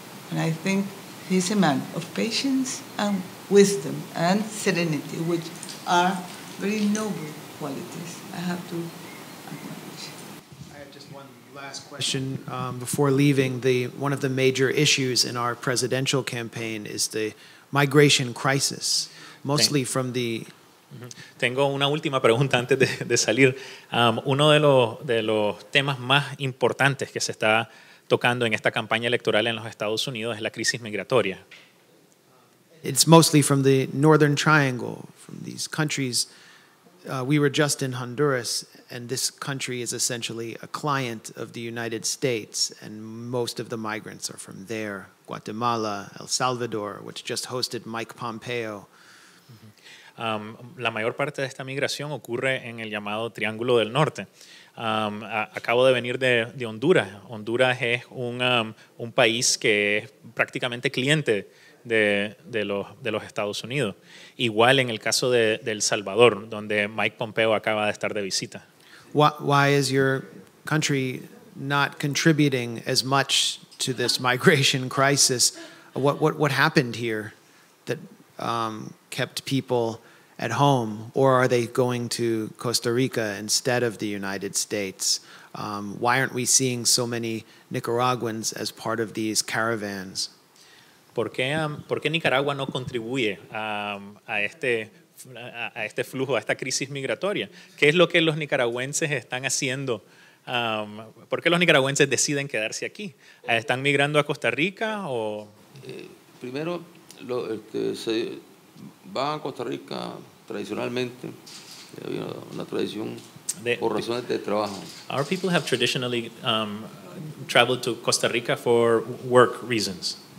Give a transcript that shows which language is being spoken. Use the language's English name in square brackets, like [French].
[English] And I think he's a man of patience and wisdom and serenity, which are very noble qualities. I have to acknowledge. I have just one last question before leaving. One of the major issues in our presidential campaign is the migration crisis, mostly from the... [Spanish] Tengo una última pregunta antes de salir. Uno de los temas más importantes que se está tocando en esta campaña electoral en los Estados Unidos es la crisis migratoria. [English] It's mostly from the Northern Triangle, from these countries. We were just in Honduras, and this country is essentially a client of the United States, and most of the migrants are from there. Guatemala, El Salvador, which just hosted Mike Pompeo. [Spanish] La mayor parte de esta migración ocurre en el llamado Triángulo del Norte. Acabo de venir de Honduras. Honduras es un país que es prácticamente cliente de los Estados Unidos. Igual en el caso de El Salvador, donde Mike Pompeo acaba de estar de visita. [English] Why is your country not contributing as much to this migration crisis? What happened here that kept people at home? Or are they going to Costa Rica instead of the United States? Why aren't we seeing so many Nicaraguans as part of these caravans? [Spanish] ¿Por qué Nicaragua no contribuye a este flujo, a esta crisis migratoria? ¿Qué es lo que los nicaragüenses están haciendo? ¿Por qué los nicaragüenses deciden quedarse aquí? ¿Están migrando a Costa Rica o...? Primero, se va a Costa Rica tradicionalmente, había una tradición por razones de trabajo. [English] Our people have traditionally traveled to Costa Rica for work reasons.